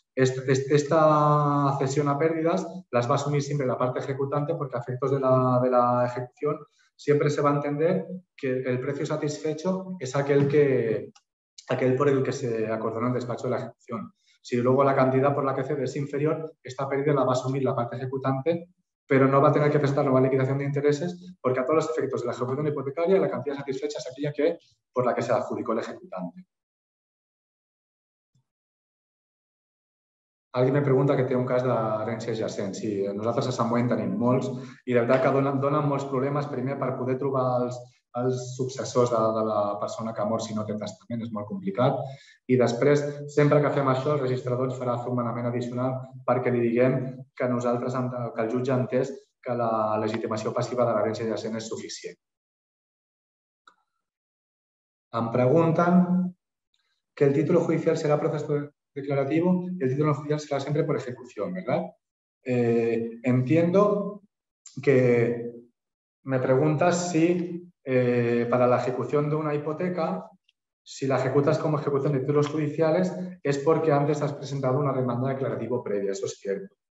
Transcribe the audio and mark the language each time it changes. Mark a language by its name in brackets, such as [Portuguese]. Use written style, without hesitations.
[Spanish] Esta cesión a pérdidas las va a asumir siempre la parte ejecutante, porque a efectos de la ejecución siempre se va a entender que el precio satisfecho es aquel por el que se acordó en el despacho de la ejecución. Si luego la cantidad por la que cede es inferior, esta pérdida la va a asumir la parte ejecutante, pero no va a tener que presentar nueva liquidación de intereses, porque a todos los efectos de la ejecución hipotecaria, la cantidad satisfecha es aquella que por la que se adjudicó el ejecutante. Alguien me pregunta [Catalan] que té un cas d'herència adjacent. Sí, nosaltres a Sant Boi en tenim molts i de veritat que donen molts problemes, primer per poder trobar els successors de la persona que ha mort si no té testament, és molt complicat. I després, sempre que fem això, el registrador ens farà un manament addicional perquè li diguem que nosaltres, que el jutge ha entès que la legitimació passiva de l'herència adjacent és suficient. Em pregunten que el títol judicial serà procés declarativo, [Spanish] el título judicial será siempre por ejecución, ¿verdad? Entiendo que me preguntas si para la ejecución de una hipoteca, si la ejecutas como ejecución de títulos judiciales, es porque antes has presentado una demanda declarativa previa, eso es cierto.